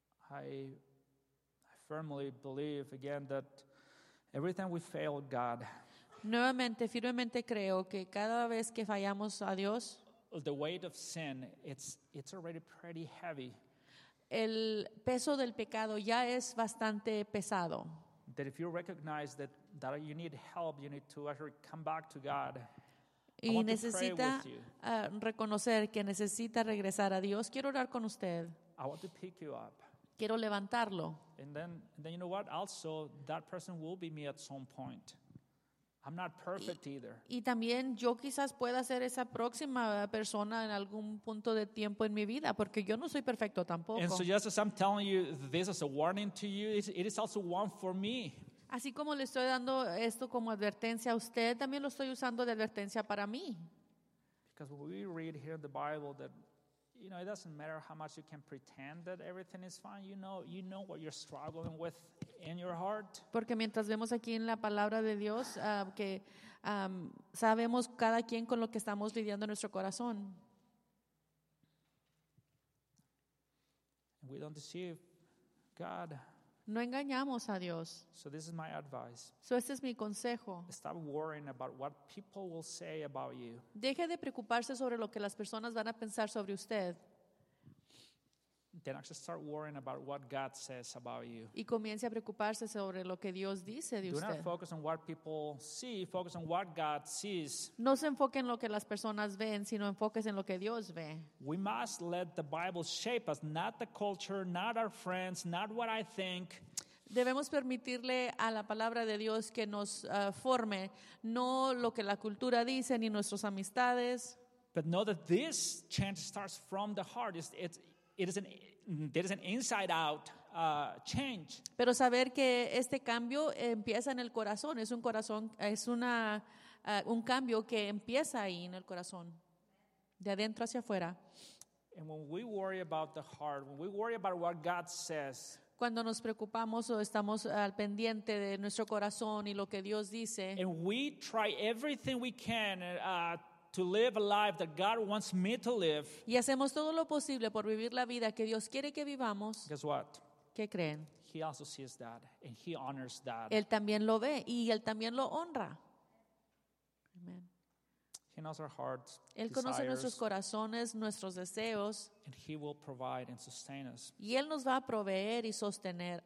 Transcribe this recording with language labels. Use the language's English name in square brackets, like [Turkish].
[English] I firmly believe again that every time we fail God. [Spanish] Nuevamente, firmemente creo que cada vez que fallamos a Dios. [English] The weight of sin, it's already pretty heavy. [Spanish] el peso del pecado ya es bastante pesado. [English] That if you recognize that that you need help, you need to actually come back to God. [Spanish] Y necesita reconocer que necesita regresar a Dios. Quiero orar con usted. [English] I want to pick you up. [Spanish] Quiero levantarlo. [English] And then you know what? Also, that person will be me at some point. I'm not perfect either. [Spanish] Y también yo quizás pueda ser esa próxima persona en algún punto de tiempo en mi vida, porque yo no soy perfecto tampoco. [English] And so just as I'm telling you this as a warning to you, it is also one for me. [Spanish] Así como le estoy dando esto como advertencia a usted, también lo estoy usando de advertencia para mí. [English] Because what we read here in the Bible that, you know, it doesn't matter how much you can pretend that everything is fine. You know what you're struggling with in your heart. [Spanish] Porque mientras vemos aquí en la palabra de Dios que sabemos cada quien con lo que estamos lidiando en nuestro corazón. [English] We don't deceive God. [Spanish] No engañamos a Dios. [English] So this is my advice. [Spanish] So este es mi consejo. [English] Stop worrying about what people will say about you. [Spanish] Deje de preocuparse sobre lo que las personas van a pensar sobre usted. [English] Then actually start worrying about what God says about you. [Spanish] Y comience a preocuparse sobre lo que Dios dice de usted. [English] Do not focus on what people see, focus on what God sees. [Spanish] No se enfoque en lo que las personas ven, sino enfoque en lo que Dios ve. [English] We must let the Bible shape us, not the culture, not our friends, not what I think. [Spanish] Debemos permitirle a la palabra de Dios que nos forme, no lo que la cultura dice ni nuestras amistades. [English] But know that this change starts from the heart. It is an inside out change. [Spanish] Pero saber que este cambio empieza en el corazón, un cambio que empieza ahí en el corazón, de adentro hacia afuera. [English] And when we worry about the heart, when we worry about what God says, [Spanish] cuando nos preocupamos o estamos al pendiente de nuestro corazón y lo que Dios dice, [English] and we try everything we can to live a life that God wants me to live. [Spanish] Y hacemos todo lo posible por vivir la vida que Dios quiere que vivamos. [English] Guess what? [Spanish] ¿Qué creen? [English] He also sees that and he honors that. [Spanish] Él también lo ve y él también lo honra. [English] Amen. He knows our hearts. [Spanish] Él conoce [English] desires, [Spanish] nuestros corazones, nuestros deseos. [English] And he will provide and sustain us. [Spanish] Y él nos va a proveer y sostener.